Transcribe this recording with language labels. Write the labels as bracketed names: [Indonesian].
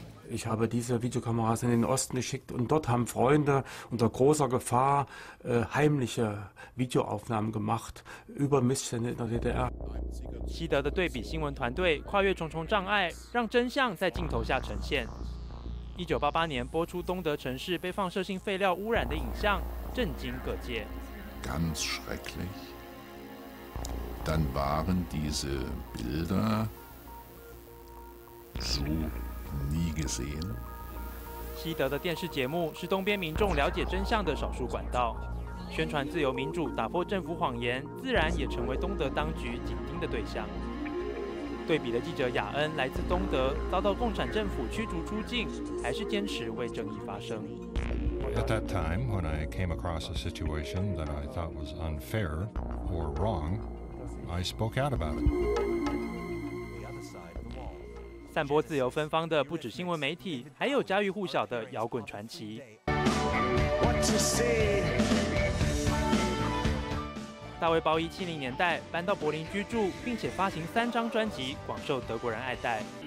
[German] Ich habe diese Videokameras in den Osten geschickt und dort haben Freunde unter großer Gefahr heimliche Videoaufnahmen gemacht über Missstände in der DDR. [Chinese] 西德的对比新闻团队跨越重重障碍，让真相在镜头下呈现。 1988年播出东德城市被放射性废料污染的影像，震惊各界。 [German] Ganz schrecklich. Dann waren diese Bilder so nie gesehen. [Chinese] 西德的电视节目是东边民众了解真相的少数管道，宣传自由民主、打破政府谎言，自然也成为东德当局紧盯的对象。对比的记者雅恩来自东德，遭到共产政府驱逐出境，还是坚持为正义发声。 [English] At that time, when I came across a situation that I thought was unfair or wrong, I spoke out about it. [Chinese] 散播自由芬芳的不止新闻媒体，还有家喻户晓的摇滚传奇。大卫鲍伊70年代搬到柏林居住，并且发行3张专辑，广受德国人爱戴。